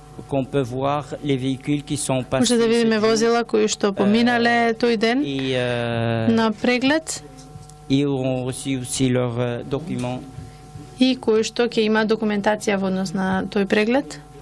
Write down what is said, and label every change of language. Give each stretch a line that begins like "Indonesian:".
French: qu'on peut voir les véhicules qui sont passés.
Macedonian: Може да видим возила кои што поминале тој ден на преглед.
French: И ont reçu aussi leurs documents.
Macedonian: И кои што ќе има документација во однос на тој преглед.